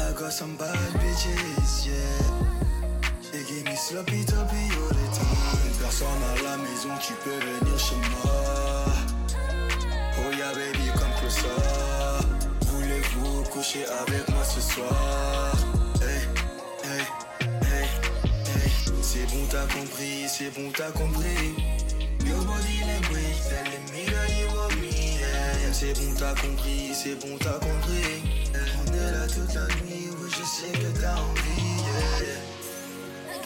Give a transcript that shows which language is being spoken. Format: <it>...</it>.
<en>some bad bitches, yeah. They give me sloppy toppy all the time.</en> <fr>Personne à la maison, tu peux venir chez moi.</fr> <en>Oh yeah, baby, come closer.</en> <fr>Voulez-vous coucher avec moi ce soir? Hey, hey, hey, hey. C'est bon, t'as compris, c'est bon, t'as compris.</fr> <en>Your body language, tell me that you want me, yeah.</en> <fr>C'est bon, t'as compris, c'est bon, t'as compris. On est là toute la nuit, oui, je sais que t'as envie, yeah.</fr>